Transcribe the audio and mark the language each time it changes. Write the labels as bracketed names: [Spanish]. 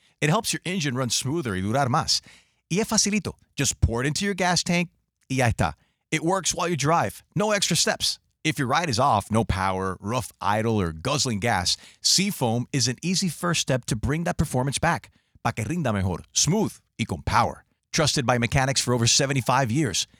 [English] It helps your engine run smoother [Spanish] y durar más. Y es facilito. [English] Just pour it into your gas tank. [Spanish] Y ya está. [English] It works while you drive. No extra steps. If your ride is off, no power, rough idle, or guzzling gas, Seafoam is an easy first step to bring that performance back. [Spanish] Pa que rinda mejor, smooth, y con power. [English] Trusted by mechanics for over 75 years.